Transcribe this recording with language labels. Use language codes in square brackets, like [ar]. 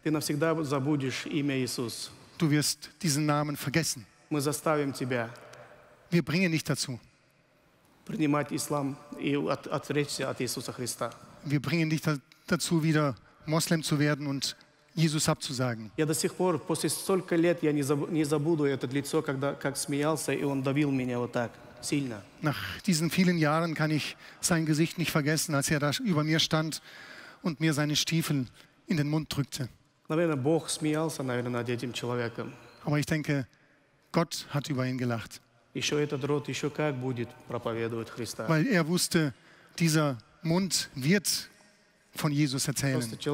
[de] Du wirst diesen Namen vergessen. Wir bringen dich dazu. Wir bringen dich dazu, wieder Moslem zu werden und Jesus abzusagen. [ru] Я до сих пор после столько лет я не забуду это лицо, когда как смеялся и он давил меня вот так сильно. [de] Nach diesen vielen Jahren kann ich sein Gesicht nicht vergessen, als er da über mir stand und mir seine Stiefel in den Mund drückte. [ru] Наверное, Бог смеялся, наверное, над этим человеком. [de] Aber ich denke, Gott hat über ihn gelacht. [ru] Еще этот рот еще как будет проповедовать Христа. [de] Weil er wusste, dieser Mund wird von Jesus erzählen.